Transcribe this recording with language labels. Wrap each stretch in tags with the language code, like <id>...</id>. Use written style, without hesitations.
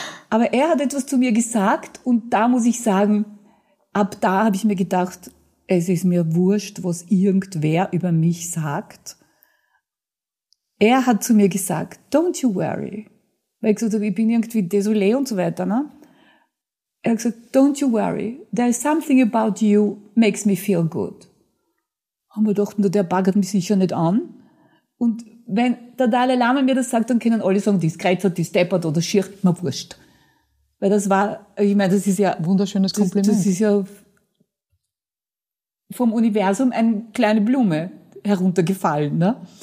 <de>Aber er hat etwas zu mir gesagt und da muss ich sagen, ab da habe ich mir gedacht, es ist mir wurscht, was irgendwer über mich sagt. Er hat zu mir gesagt,</de> <en>don't you worry.</en> <de>Weil ich gesagt habe, ich bin irgendwie desolé und so weiter. Ne?</de> <en>Er hat gesagt, don't you worry, there is something about you makes me feel good.</en> <de>Haben wir gedacht, der baggert mich sicher nicht an. Und wenn der Dalai Lama mir das sagt, dann können alle sagen, die ist kreizer, die steppert oder schier, mir wurscht. Weil das war, ich meine, das ist ja... Wunderschönes Kompliment. Das ist ja vom Universum eine kleine Blume heruntergefallen. Ne?</de>